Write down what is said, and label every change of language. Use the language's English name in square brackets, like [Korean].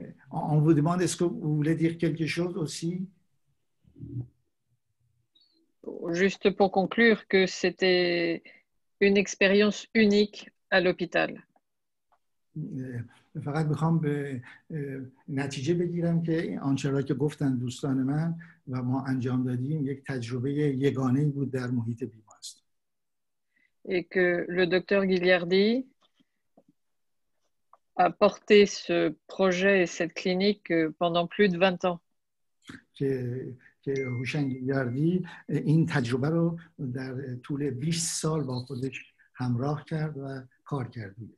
[French] On vous demande, est-ce que vous voulez dire quelque chose aussi? Juste pour conclure que c'était une expérience unique à l'hôpital. [Persian] فقط میخوام به نتیجه بگیرم که آنچه را که گفتن دوستان من و ما انجام دادیم یک تجربه یگانه بود در محیط بیمارستان. [French] Et que le docteur Guilliardi a porté ce projet et cette clinique pendant plus de 20 ans. [Persian] که هوشنگ گیلیاردی این تجربه رو در طول 20 سال با خودش همراه کرد و کار کرد.